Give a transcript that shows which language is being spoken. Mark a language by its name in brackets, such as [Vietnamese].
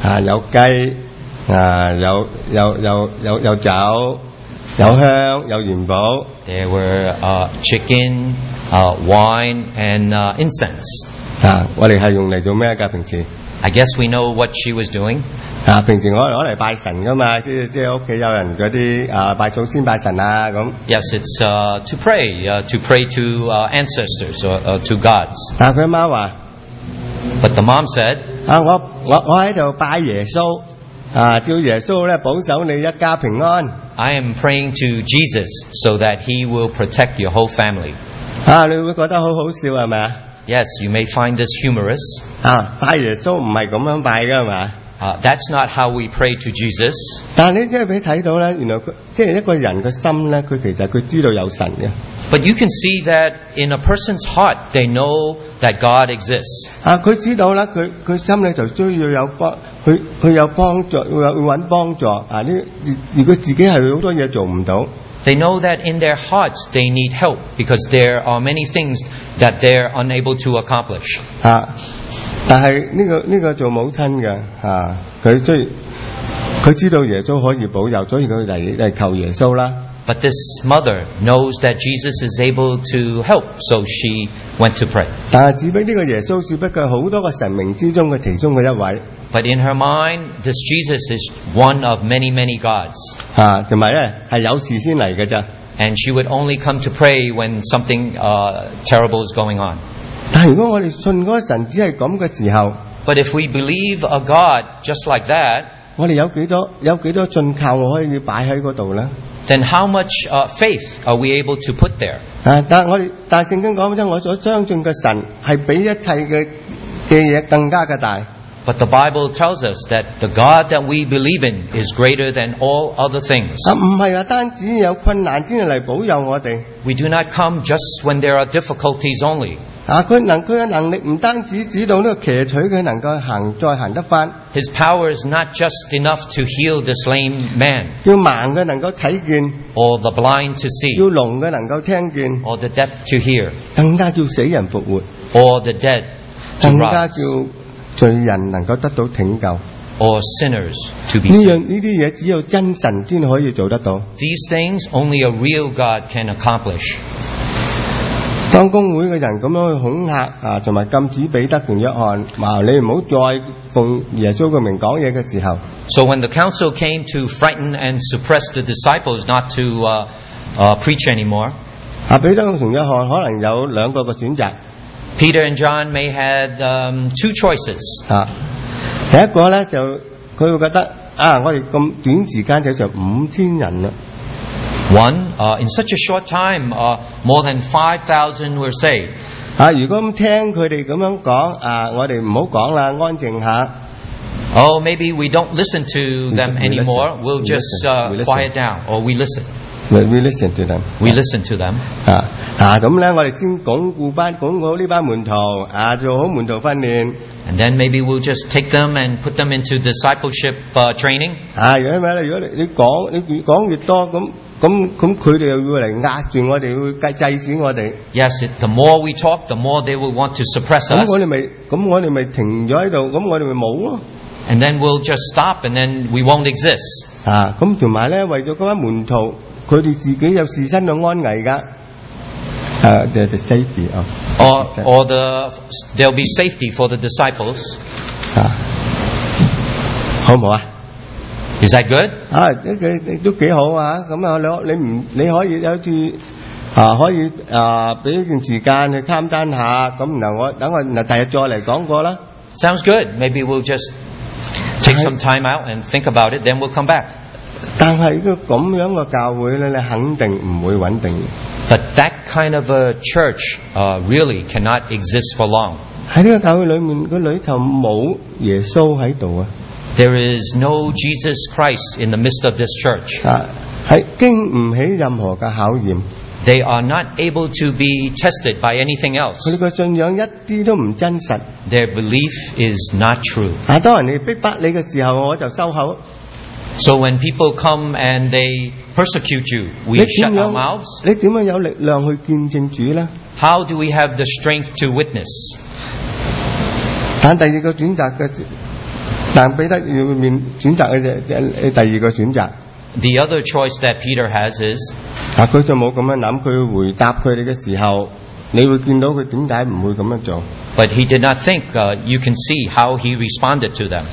[Cantonese] 有雞，有酒。有香有元宝。 [English] There were chicken, wine and incense. [Cantonese] 我哋系用嚟做咩噶？平时 [English] ？I guess we know what she was doing. [Cantonese] 平时我攞嚟拜神噶嘛，即系屋企有人嗰啲拜祖先拜神啊咁。 [English] Yes, it's to pray to ancestors or to gods. [Cantonese] 佢妈话 [English] ，But the mom said， [Cantonese] 我喺度拜耶稣，叫耶稣咧保守你一家平安。 [English] I am praying to Jesus so that He will protect your whole family. [Cantonese] 你會覺得好好笑係咪啊？ [English] Yes, you may find this humorous. [Cantonese] 拜耶穌唔係咁樣拜㗎係咪啊？ [English] That's not how we pray to Jesus. [Cantonese] 但你真係俾睇到咧，原來即係一個人嘅心咧，佢其實佢知道有神嘅。 [English] But you can see that in a person's heart, they know that God exists. [Cantonese] 佢知道啦，佢心裏就需要有個。佢有幫助，會揾幫助。如果自己係好多嘢做唔到 [English] ，They know that in their hearts they need help because there are many things that they're unable to accomplish。 [Cantonese] 但係呢個做母親嘅佢知道耶穌可以保佑，所以佢嚟求耶穌啦。 [English] But this mother knows that Jesus is able to help, so she went to pray. [Cantonese] 但係只不呢個耶穌，只不過好多個神明之中嘅其中嘅一位。 [English] But in her mind, this Jesus is one of many, many gods. [Cantonese] 同埋咧係有事先嚟嘅啫。 [English] And she would only come to pray when something terrible is going on. [Cantonese] 但係如果我哋信嗰個神只係咁嘅時候 [English] ，But if we believe a God just like that， [Cantonese] 我哋有幾多信靠我可以擺喺嗰度咧？ [English] Then how much faith are we able to put there? [Cantonese] 但聖經講真，我所相信嘅神係比一切嘅嘢更加嘅大。 [English] But the Bible tells us that the God that we believe in is greater than all other things. [Cantonese] 唔係啊，單止有困難先嚟保佑我哋。 [English] We do not come just when there are difficulties only. [Cantonese] 佢嘅能力唔單止指到呢個瘸腿佢能夠再行得翻。 [English] His power is not just enough to heal this lame man. [Cantonese] 要盲嘅能夠睇見。 [English] Or the blind to see. [Cantonese] 要聾嘅能夠聽見。 [English] Or the deaf to hear. [Cantonese] 更加叫死人復活。 [English] Or the dead to rise. [Cantonese] 更加叫罪人能夠得到拯救。 [English] Or sinners to be saved. [Cantonese] 呢啲嘢只有真神先可以做得到。 [English] These things only a real God can accomplish. [Cantonese] 當公會嘅人咁樣去恐嚇同埋禁止彼得同約翰，話你唔好再奉耶穌嘅名講嘢嘅時候。 [English] So when the council came to frighten and suppress the disciples not to preach anymore. [Cantonese] 彼得同約翰可能有兩個選擇。 [English] Peter and John may have two choices. [Cantonese] 第一個咧就佢會覺得我哋咁短時間就5000人啦。 [English] One, in such a short time, more than 5,000 were saved. [Cantonese] 如果咁聽佢哋咁樣講我哋唔好講啦，安靜下。 [English] Oh, maybe we don't listen to them anymore. We'll just quiet down, or we listen. We listen to them. We listen to them. [Cantonese] 咁咧，我哋先巩固呢班門徒做好門徒訓練。 [English] And then maybe we'll just take them and put them into discipleship training. [Cantonese] 因為咧，如果你講越多，咁佢哋又會嚟壓住我哋，會制止我哋。 [English] Yes, the more we talk, the more they will want to suppress us. [Cantonese] 咁我哋咪停咗喺度，咁我哋咪冇咯。 [English] And then we'll just stop, and then we won't exist. [Cantonese] 咁同埋咧，為咗嗰班門徒。佢哋自己有自身嘅安危噶。 [English] The safety of or the there'll be safety for the disciples. [Cantonese] 啊，好唔好啊？ [English] Is that good? [Cantonese] 啊，都幾好啊！咁啊，你可以有次啊，可以啊，俾一段時間去 [English] calm down [Cantonese] 下。咁然後我等我第日再嚟講過啦。 [English] Sounds good. Maybe we'll just take some time out and think about it. Then we'll come back. [Cantonese] 但係個咁樣嘅教會咧，你肯定唔會穩定。 [English] But that kind of a church, really cannot exist for long. [Cantonese] 喺呢個教會裏面，個裏頭冇耶穌喺度啊。 [English] There is no Jesus Christ in the midst of this church. [Cantonese] 係經唔起任何嘅考驗。 [English] They are not able to be tested by anything else. [Cantonese] 佢哋個信仰一啲都唔真實。 [English] Their belief is not true. [Cantonese] 啊，當人哋逼迫你嘅時候，我就收口。 [English] So when people come and they persecute you, we shut our mouths. [Cantonese] 你點樣有力量去見證主咧？ [English] How do we have the strength to witness? [Cantonese] 但第二個選擇嘅。但彼得要面選擇嘅啫，第二個選擇。 [English] The other choice that Peter has is， [Cantonese] 啊，佢就冇咁樣諗。佢回答佢哋嘅時候，你會見到佢點解唔會咁樣做。 [English] But he did not think. You can see how he responded to them。